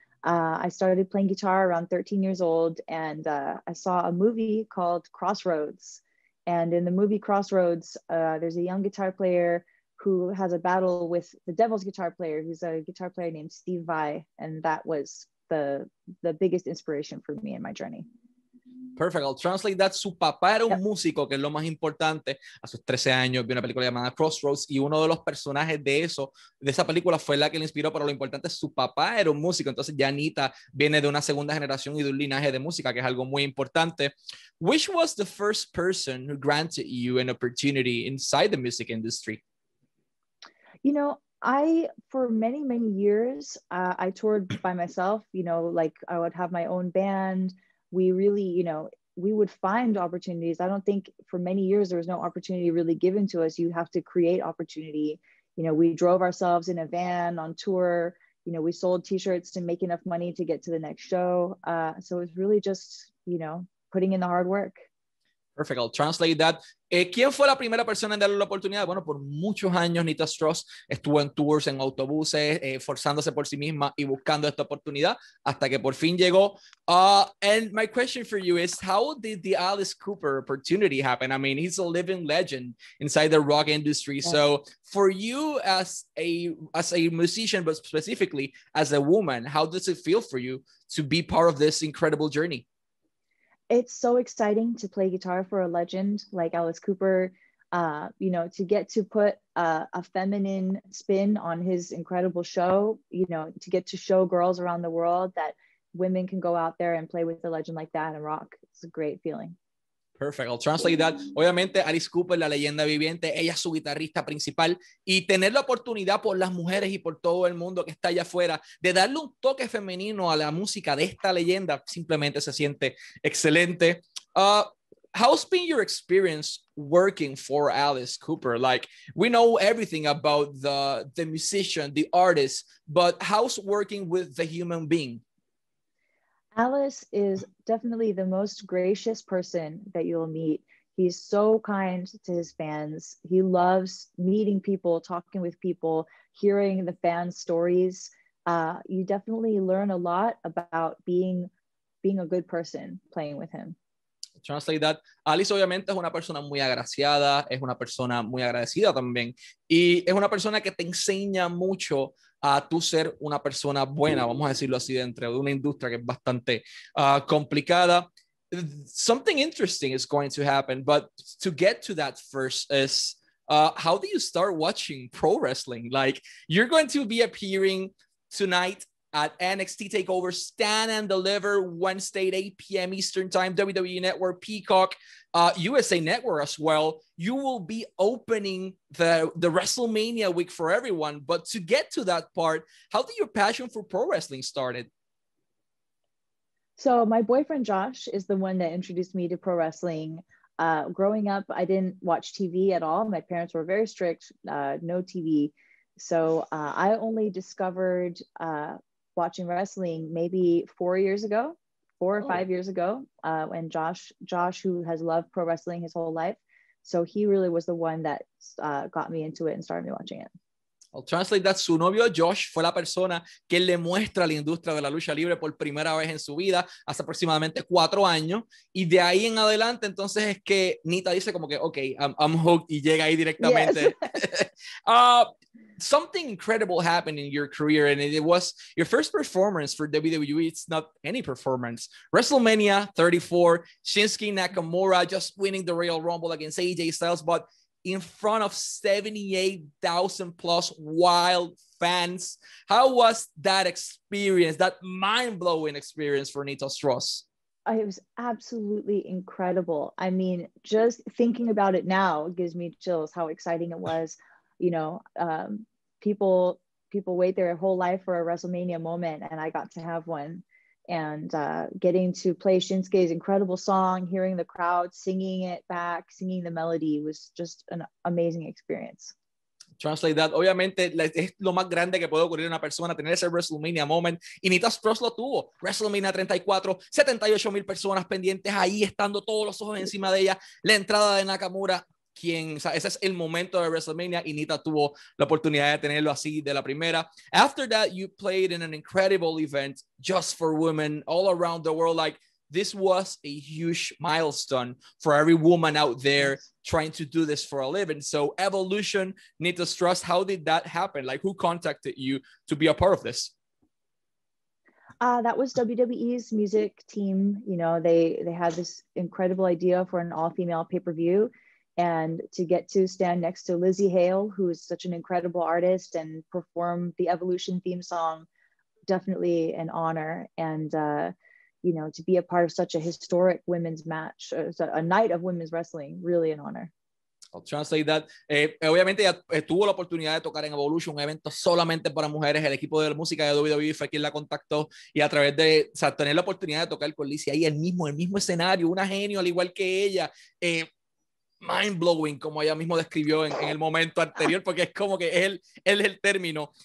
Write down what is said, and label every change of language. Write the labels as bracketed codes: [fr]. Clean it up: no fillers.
[en] I started playing guitar around 13 years old, and I saw a movie called Crossroads. And in the movie Crossroads, there's a young guitar player who has a battle with the devil's guitar player, who's a guitar player named Steve Vai. And that was the biggest inspiration for me in my journey. Perfect. I'll translate that. [es] Su papá era un músico, que es lo más importante. A sus 13 años vio una película llamada Crossroads, y uno de los personajes de eso, de esa película, fue la que le inspiró. Pero lo importante es su papá era un músico. Entonces ya Nita viene de una segunda generación y de un linaje de música, que es algo muy importante. [en] Which was the first person who granted you an opportunity inside the music industry? You know, I, for many, many years, I toured by myself. You know, like, I would have my own band. We really, you know, we would find opportunities. I don't think for many years there was no opportunity really given to us. You have to create opportunity. You know, we drove ourselves in a van on tour. You know, we sold t-shirts to make enough money to get to the next show. So it was really just, you know, putting in the hard work. Perfect. I'll translate that. [es] ¿Quién fue la primera persona en darle la oportunidad? Bueno, por muchos años Nita Strauss estuvo en tours, en autobuses, forzándose por sí misma y buscando esta oportunidad hasta que por fin llegó. [en] And my question for you is, how did the Alice Cooper opportunity happen? I mean, he's a living legend inside the rock industry. Yeah. So for you as a musician, but specifically as a woman, how does it feel for you to be part of this incredible journey? It's so exciting to play guitar for a legend like Alice Cooper, you know, to get to put a feminine spin on his incredible show, you know, to get to show girls around the world that women can go out there and play with a legend like that and rock. It's a great feeling. Perfect. I'll translate that. [es] Obviamente, Alice Cooper, la leyenda viviente, ella es su guitarrista principal, y tener la oportunidad por las mujeres y por todo el mundo que está allá afuera de darle un toque femenino a la música de esta leyenda, simplemente se siente excelente. [en] How's been your experience working for Alice Cooper? Like, we know everything about the musician, the artist, but how's working with the human being? Alice is definitely the most gracious person that you'll meet. He's so kind to his fans. He loves meeting people, talking with people, hearing the fans' stories. You definitely learn a lot about being a good person playing with him. Translate that. [es] Alice obviamente es una persona muy agraciada, es una persona muy agradecida también, y es una persona que te enseña mucho a tú ser una persona buena, vamos a decirlo así, dentro de una industria que es bastante complicada. [en] Something interesting is going to happen, but to get to that first is, how do you start watching pro wrestling? Like, you're going to be appearing tonight at NXT TakeOver Stand and Deliver Wednesday at 8 p.m. Eastern Time, WWE Network, Peacock, USA Network as well. You will be opening the WrestleMania week for everyone. But to get to that part, how did your passion for pro wrestling started? So my boyfriend, Josh, is the one that introduced me to pro wrestling. Growing up, I didn't watch TV at all. My parents were very strict, no TV. So I only discovered watching wrestling maybe 4 years ago, four or five years ago, when Josh, who has loved pro wrestling his whole life, So he really was the one that got me into it and started me watching it. I'll translate that. [es] Su novio Josh fue la persona que le muestra la industria de la lucha libre por primera vez en su vida hace aproximadamente 4 años. Y de ahí en adelante, entonces es que Nita dice como que, [en] okay, I'm hooked, [es] y llega ahí directamente. [en] Yes. Something incredible happened in your career, and it was your first performance for WWE. It's not any performance. WrestleMania 34, Shinsuke Nakamura just winning the Royal Rumble against AJ Styles, but in front of 78,000 plus wild fans. How was that experience, that mind-blowing experience for Nita Strauss? It was absolutely incredible. I mean, just thinking about it now gives me chills, how exciting it was. You know, people wait their whole life for a WrestleMania moment, and I got to have one. And getting to play Shinsuke's incredible song, hearing the crowd singing it back, singing the melody, was just an amazing experience. Translate that. [es] Obviamente, es lo más grande que puede ocurrir a una persona, tener ese WrestleMania moment. Y Nita Strauss lo tuvo. WrestleMania 34, 78,000 personas pendientes ahí, estando todos los ojos encima de ella. La entrada de Nakamura, quien, o sea, ese es el momento de WrestleMania, y Nita tuvo la oportunidad de tenerlo así de la primera. [en] After that, you played in an incredible event just for women all around the world. Like, this was a huge milestone for every woman out there trying to do this for a living. So Evolution, Nita Strauss, how did that happen? Like, who contacted you to be a part of this? That was WWE's music team. You know, they had this incredible idea for an all-female pay-per-view. And to get to stand next to Lizzie Hale, who is such an incredible artist, and perform the Evolution theme song, definitely an honor. And, you know, to be a part of such a historic women's match, a night of women's wrestling, really an honor. I'll translate that. [es] Obviamente ya tuvo la oportunidad de tocar en Evolution, un evento solamente para mujeres. El equipo de la música de WWE fue quien la contactó, y a través de, o sea, tener la oportunidad de tocar con Lizzie ahí, el mismo escenario, una genio al igual que ella. Mind-blowing, como ella mismo describió en el momento anterior, porque es como que es el término.